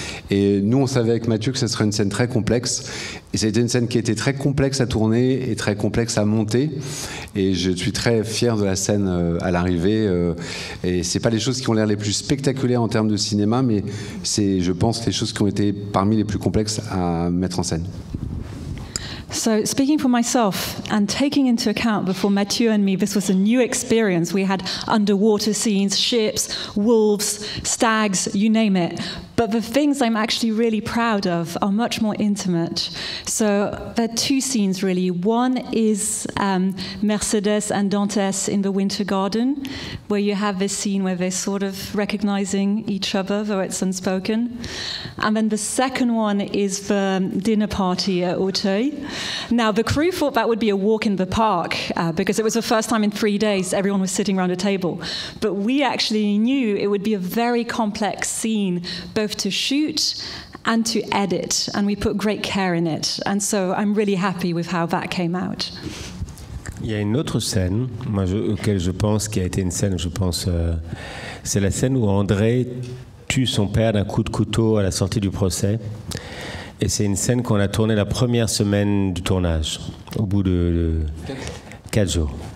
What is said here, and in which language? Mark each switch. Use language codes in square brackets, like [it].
[fr] Et nous, on savait avec Matthieu que ce serait une scène très complexe. Et ça a été une scène qui était très complexe à tourner et très complexe à monter. Et je suis très fier de la scène à l'arrivée. Et ce n'est pas les choses qui ont l'air les plus spectaculaires en termes de cinéma, mais c'est, je pense, les choses qui ont été parmi les plus complexes à mettre en scène. [en] So speaking for myself and taking into account before Matthieu and me, this was a new experience. We had underwater scenes, ships, wolves, stags, you name it. But the things I'm actually really proud of are much more intimate. So there are two scenes, really. One is Mercedes and Dantès in the Winter Garden, where you have this scene where they're sort of recognizing each other, though it's unspoken. And then the second one is the dinner party at Auteuil. Now, the crew thought that would be a walk in the park, because it was the first time in 3 days everyone was sitting around a table. But we actually knew it would be a very complex scene, both to shoot and to edit, and we put great care in it. And so I'm really happy with how that came out. [fr] Il y a une autre scène, moi, auquel je pense, qui a été une scène, je pense, c'est la scène où André tue son père d'un coup de couteau à la sortie du procès. Et c'est une scène qu'on a tournée la première semaine du tournage, au bout de 4 jours.